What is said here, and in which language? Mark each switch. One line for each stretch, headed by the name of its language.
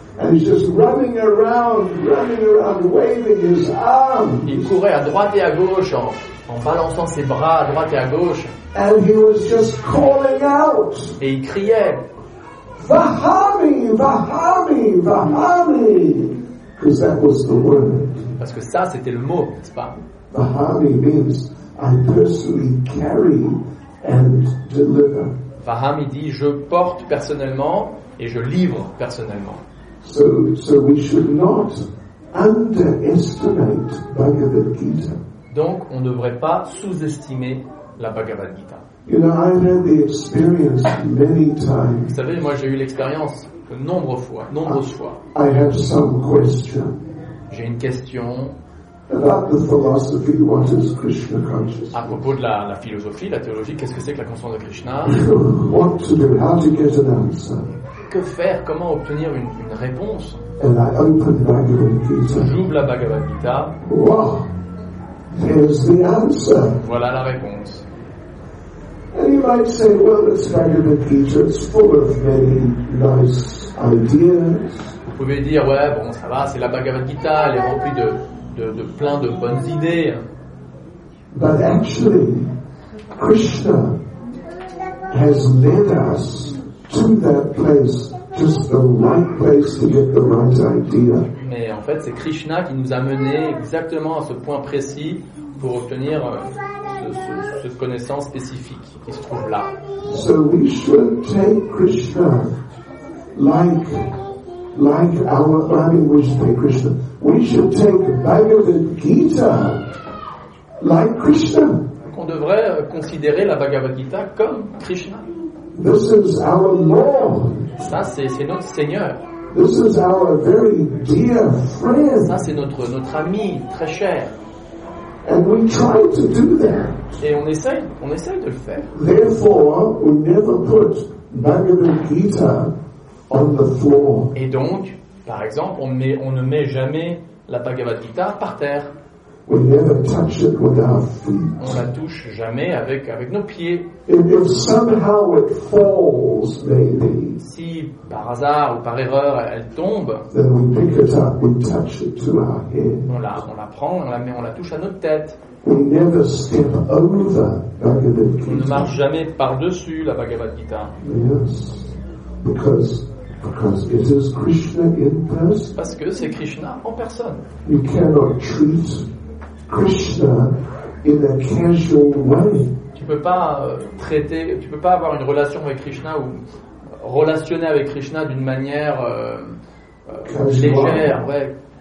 English: And he's just running around, waving his arms.
French: Il courait à droite et à gauche en balançant ses bras à droite et à gauche.
English: And he was just calling out.
French: Et il criait,
English: Vahami, Vahami, Vahami, because that was the word.
French: Parce que ça, c'était le mot, n'est-ce pas?
English: Vahami means I personally carry and deliver.
French: Vahami dit je porte personnellement et je livre personnellement.
English: So we should not underestimate Bhagavad Gita.
French: Donc, on ne devrait pas sous-estimer la Bhagavad Gita.
English: You know, I've had the experience many times.
French: Vous savez, moi, j'ai eu l'expérience nombreuses fois.
English: I have some question.
French: J'ai une question.
English: About the philosophy, what is Krishna consciousness?
French: À propos de la philosophie, la théologie, qu'est-ce que c'est que la conscience de Krishna?
English: What to do, how to get an answer?
French: Que faire, comment obtenir une réponse?
English: And I open Bhagavad Gita.
French: J'ouvre la Bhagavad Gita.
English: Wow, here's the answer.
French: Voilà la réponse.
English: And you might say, well, it's Bhagavad Gita, it's full of many nice ideas.
French: Vous pouvez dire, ouais, bon, ça va, c'est la Bhagavad Gita, elle est remplie de plein de bonnes idées.
English: But actually, Krishna has led us to that place, just the right place to get the right idea.
French: Mais en fait, c'est Krishna qui nous a mené exactement à ce point précis pour obtenir cette connaissance spécifique qui se trouve là.
English: So we should take Krishna like our body was taking Krishna. We should take Bhagavad Gita like Krishna.
French: Donc on devrait considérer la Bhagavad Gita comme Krishna.
English: This is our Lord.
French: Ça, c'est notre Seigneur.
English: This is our very dear friend.
French: Ça, c'est notre ami très cher.
English: And we try to do that.
French: Et on essaye de le faire.
English: Therefore, we never put Bhagavad Gita on the floor.
French: Et donc, par exemple, on ne met jamais la Bhagavad Gita par terre.
English: We never touch it with our feet.
French: On la touche jamais avec nos pieds.
English: And if somehow it falls, maybe,
French: si par hasard ou par erreur elle tombe,
English: then we pick it up, we touch it to our head.
French: On la prend, on la touche à notre tête.
English: We never step over Bhagavad Gita.
French: On ne marche jamais par-dessus la Bhagavad Gita.
English: Yes, because it is Krishna in person.
French: Parce que c'est Krishna en personne.
English: You cannot treat Krishna in a casual way.
French: Tu peux pas avoir une relation avec Krishna ou relationner avec Krishna d'une manière légère, ouais.